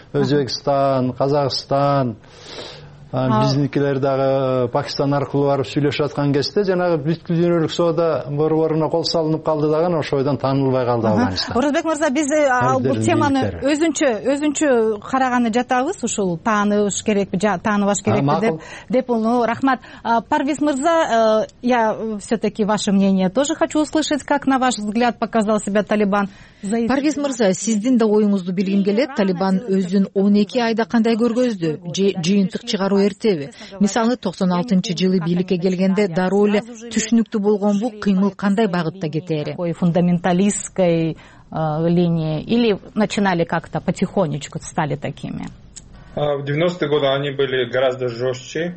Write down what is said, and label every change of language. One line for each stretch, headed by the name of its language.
Kyrgyz: Өзбекстан, Казакстан, бизникилер дагы Пакистан аркылуу барып сүйлөшүп аткан кезде жанагы бүткүл дүйнөлүк соода борборуна кол салынып калды деген ошойдон таанылбай калды Афганистан. Орозбек мырза, биз бул теманы өзүнчө караганы жатабыз, ушул тааныш керекпи, тааныбаш керекпи деп. Рахмат.
Russian: Парвиз мырза, я все таки ваше мнение тоже хочу услышать, как на ваш взгляд показал себя Талибан.
Kyrgyz: Парвиз мырза, сиздин да оюңузду билгим келет. Талибан өзүн 12 айда кандай көргөздү? Жыйынтык чыгаруу эртеби? Мисалы, 96 жылы бийликке келгенде дароо эле түшүнүктүү болгон бул кыймыл кандай багытта кетери?
Russian: Фундаменталисткой линии или начинали как-то потихонечку стали такими? В 90-е годы они были гораздо жёстче.